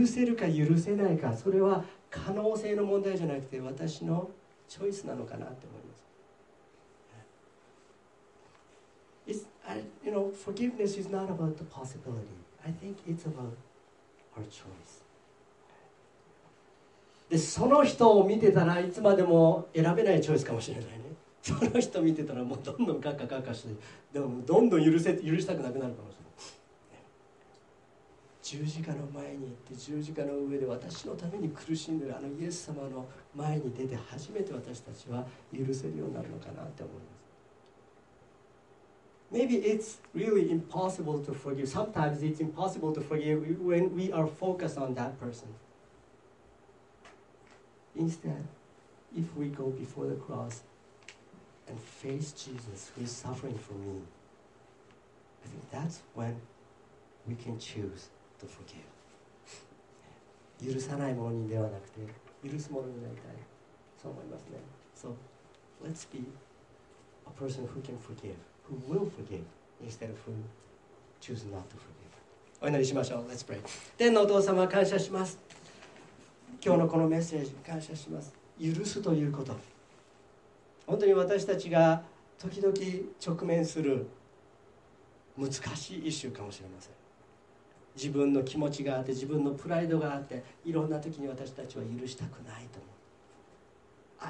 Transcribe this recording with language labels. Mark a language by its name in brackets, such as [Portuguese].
[Japanese] 許せるか許せないか、それは可能性の問題じゃなくて私のチョイスなのかなって思います。 [English] It's you know forgiveness is not about the possibility. I think it's about our choice. [Japanese] でその人を見てたらいつまでも選べないチョイスかもしれないね。その人見てたらもうどんどんガッカガッカして、でもどんどん許したくなくなるかもしれない、ね。十字架の前に行って十字架の上で私のために苦しんでるあのイエス様の前に出て初めて私たちは許せるようになるのかなって思います。 [English] Maybe it's really impossible to forgive. Sometimes it's impossible to forgive when we are focused on that person. Instead, if we go before the cross and face Jesus who is suffering for me, I think that's when we can choose to forgive. [Japanese] 許さないものにではなくて、許すものになりたい。そう思いますね。 [English] So, let's be a person who can forgive, who will forgive, instead of who choose not to forgive. [Japanese] お祈りしましょう。 [English] Let's pray. [Japanese] 天のお父様、感謝します。今日のこのメッセージ感謝します。許すということ、本当に私たちが時々直面する難しいイシューかもしれません。自分の気持ちがあって自分のプライドがあっていろんな時に私たちは許したくないと思う。